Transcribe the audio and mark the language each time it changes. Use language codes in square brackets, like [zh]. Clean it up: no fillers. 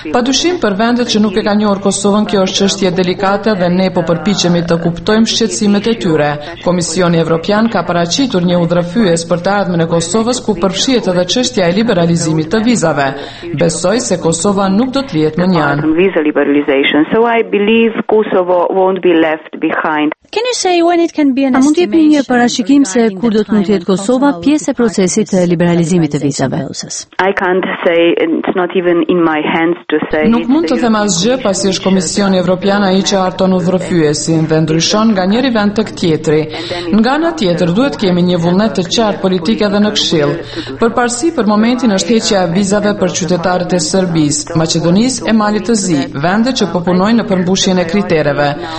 [sq] Padyshim për vendet që nuk e kanë njohur Kosovën, kjo është çështje delikate dhe ne po përpiqemi të kuptojmë shqetësimet e tyre. Komisioni Evropian ka paraqitur një udhërrëfyes për të ardhmen e Kosovës ku përfshihet edhe çështja e liberalizimit të vizave. Besoj se Kosova nuk do të lihet më njan. [en] So I believe Kosovo won't be left behind. Can you say when it can be an estimation? [sq] A mund të jepni një parashikim se kur do të mund të jetë Kosova pjesë e procesit të liberalizimit të vizave? [en] I can't say, it's not even in my hands to say. [sq] Nuk mund të them asgjë pasi është Komisioni Evropian ai që harton udhërrëfyesin dhe ndryshon nga njëri vend tek tjetri. Nga ana tjetër duhet kemi një vullnet të qartë politike edhe në Këshill. Përparësi për momentin është heqja e vizave për qytetarët e Serbisë, Maqedonisë e Malit të Zi, vende që po punojnë në përmbushjen e kritereve.